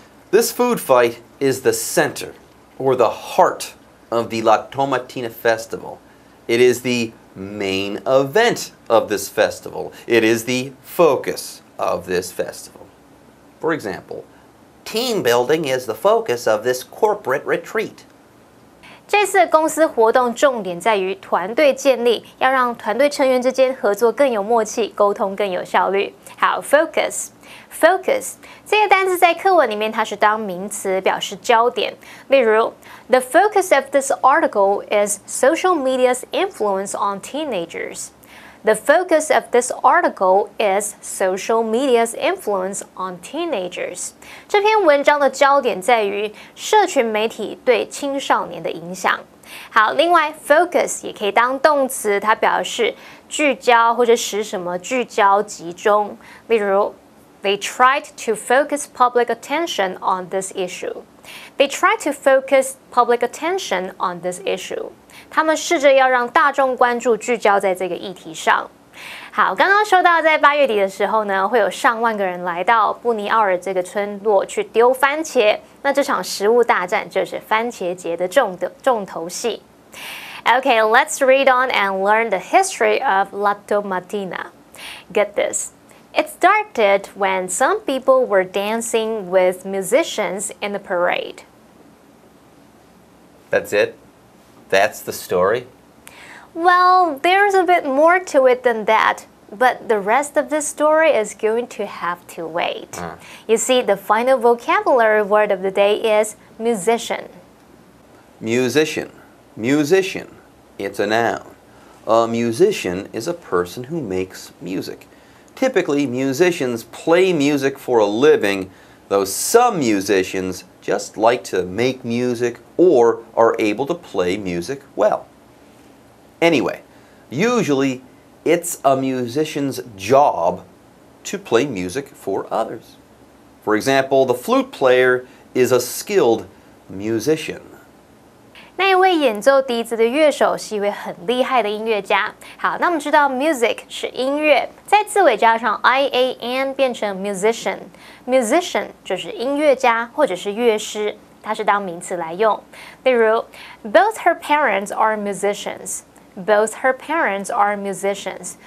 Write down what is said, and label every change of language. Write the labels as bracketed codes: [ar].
[en] This food fight is the center or the heart of the La Tomatina Festival. It is the main event of this festival. It is the focus. Of this festival. For example, team building is the focus of this corporate retreat. [zh] 这次公司活动重点在于团队建立，要让团队成员之间合作更有默契，沟通更有效率。好 ，focus。Focus 这个单词在课文里面它是当名词表示焦点。例如 [en] ，The focus of this article is social media's influence on teenagers. The focus of this article is social media's influence on teenagers. [zh] 这篇文章的焦点在于社群媒体对青少年的影响。好，另外 focus 也可以当动词，它表示聚焦或者使什么聚焦集中。例如 [en] ，They tried to focus public attention on this issue. They tried to focus public attention on this issue. [zh] 他们试着要让大众关注聚焦在这个议题上。好，刚刚说到在八月底的时候呢，会有上万个人来到布尼奥尔这个村落去丢番茄，那这场食物大战就是番茄节的重头戏。 [en] OK, let's read on and learn the history of La Tomatina. Get this. It started when some people were dancing with musicians in the parade. That's itThat's the story? Well, there's a bit more to it than that, but the rest of this story is going to have to wait. You see, the final vocabulary word of the day is musician. Musician. Musician. It's a noun. A musician is a person who makes music. Typically, musicians play music for a living, though some musicians just like to make music or are able to play music well. Anyway, usually it's a musician's job to play music for others. For example, the flute player is a skilled musician. [zh] 那一位演奏笛子的乐手是一位很厉害的音乐家。好，那我们知道 music 是音乐，在字尾加上 ian 变成 musician， musician 就是音乐家或者是乐师，它是当名词来用。例如 [en] ，Both her parents are musicians. Both her parents are musicians.